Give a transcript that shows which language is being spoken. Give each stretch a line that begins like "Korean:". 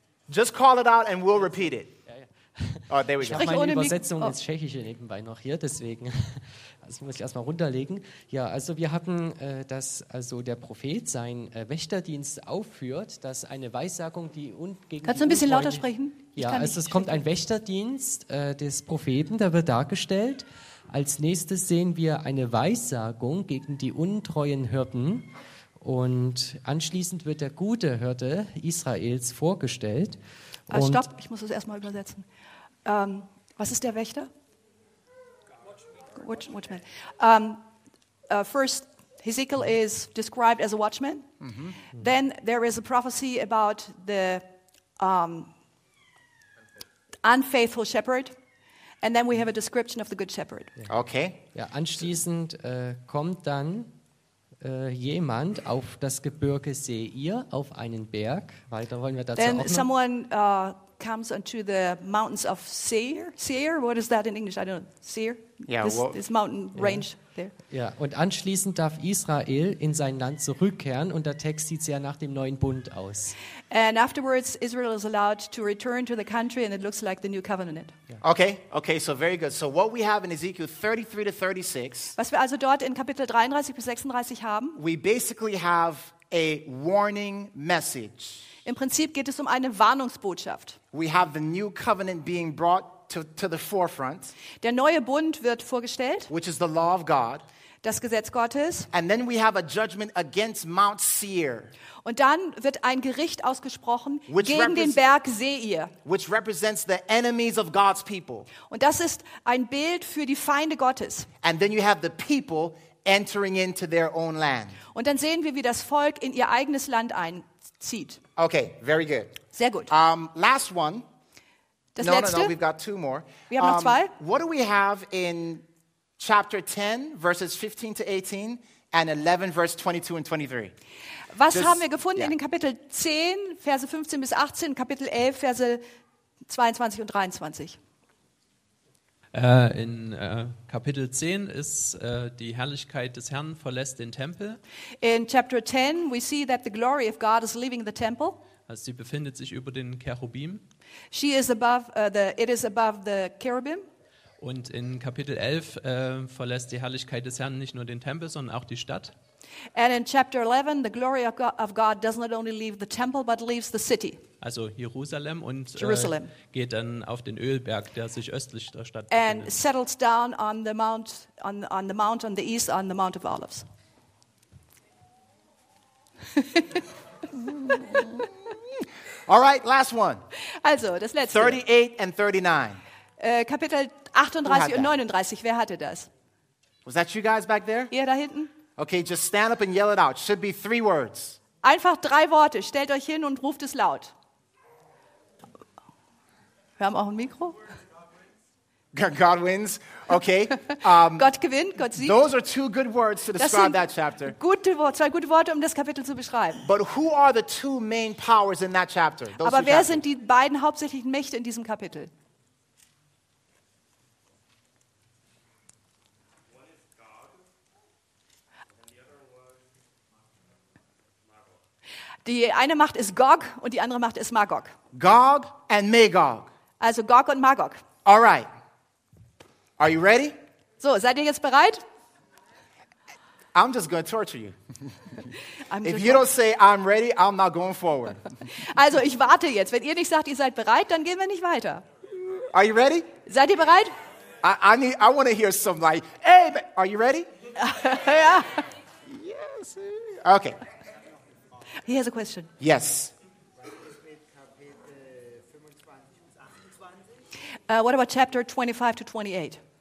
English: Just call it out and we'll repeat it. Oh, there we go.
German: Ich habe meine Übersetzung ins Tschechische nebenbei noch hier, deswegen das muss ich erstmal runterlegen. Ja, also wir hatten, dass also der Prophet seinen Wächterdienst aufführt, dass eine Weissagung, die gegen Kannst du ein bisschen lauter sprechen? Ja, also es kommt ein Wächterdienst des Propheten, der wird dargestellt. Als nächstes sehen wir eine Weissagung gegen die untreuen Hirten. Und anschließend wird der gute Hirte Israels vorgestellt. Ah, stopp, ich muss das erstmal übersetzen. Was ist der Wächter? Watchman.
English: First, Hesekiel is described as a watchman. Mm-hmm. Then there is a prophecy about the unfaithful shepherd. And then we have a description of the good shepherd. Okay.
German: Ja, anschließend kommt dann jemand auf das Gebirge Seir, auf einen Berg. Weiter wollen wir dazu
English: Then
German: auch
English: someone comes onto the mountains of Seir. Seir, what is that in English? I don't know. Seir? Yeah, this mountain range there.
German: Ja, und anschließend darf Israel in sein Land zurückkehren und der Text sieht sehr nach dem neuen Bund aus.
English: And afterwards Israel is allowed to return to the country and it looks like the new covenant. Yeah. Okay, so very good. So what we have in Ezekiel 33 to 36.
German: Was wir also dort in Kapitel 33 bis 36 haben.
English: We basically have a warning message.
German: Im Prinzip geht es um eine Warnungsbotschaft.
English: We have the new covenant being brought to the forefront.
German: Der neue Bund wird vorgestellt.
English: Which is the law of God.
German: Das Gesetz Gottes.
English: And then we have a judgment against Mount Seir.
German: Und dann wird ein Gericht ausgesprochen gegen den Berg Seir.
English: Which represents the enemies of God's people.
German: Und das ist ein Bild für die Feinde Gottes.
English: And then you have the people entering into their own land.
German: Und dann sehen wir, wie das Volk in ihr eigenes Land einzieht.
English: Okay, very good.
German: Sehr gut.
English: Last one.
German: Das
English: no,
German: letzte.
English: No, we've got two more.
German: Wir haben noch zwei.
English: What do we have in chapter 10, verses 15 to 18, and 11, verse 22 and 23?
German: Was haben wir gefunden in den Kapitel 10, Verse 15 bis 18, Kapitel 11, Verse 22 und 23? Kapitel 10 ist die Herrlichkeit des Herrn verlässt den Tempel.
English: In chapter 10 we see that the glory of God is leaving the temple.
German: Also sie befindet sich über den Cherubim.
English: She is above the, it is above the cherubim.
German: Und in Kapitel 11 verlässt die Herrlichkeit des Herrn nicht nur den Tempel, sondern auch die Stadt.
English: And in chapter 11 the glory of God does not only leave the temple but leaves the city.
German: Also Jerusalem und Jerusalem. Geht dann auf den Ölberg, der sich östlich der Stadt befindet.
English: And settles down on the mount on the mount on the east on the Mount of Olives. All right, last one.
German: Also, das letzte.
English: 38 and 39.
German: Kapitel 38 und 39. Wer hatte das?
English: Was that you guys back there?
German: Ihr da hinten?
English: Okay, just stand up and yell it out. Should be three words.
German: Einfach drei Worte. Stellt euch hin und ruft es laut. Wir haben auch ein Mikro.
English: God wins. Okay.
German: Gott gewinnt, Gott siegt.
English: Those are two good words to describe that chapter.
German: Zwei gute Worte, um das Kapitel zu beschreiben.
English: But who are the two main powers in that chapter? Those
German: Aber wer
English: chapters?
German: Sind die beiden hauptsächlichen Mächte in diesem Kapitel? Die eine Macht ist Gog und die andere Macht ist Magog.
English: Gog and Magog.
German: Also Gog und Magog.
English: All right. Are you ready?
German: So, seid ihr jetzt bereit?
English: I'm just going to torture you. If you don't say I'm ready, I'm not going forward.
German: Also, ich warte jetzt. Wenn ihr nicht sagt, ihr seid bereit, dann gehen wir nicht weiter.
English: Are you ready?
German: Seid ihr bereit?
English: I want to hear some like, hey, are you ready?
German: Ja.
English: Yes. Okay. He has a question. Yes. What about chapter 25 to 28?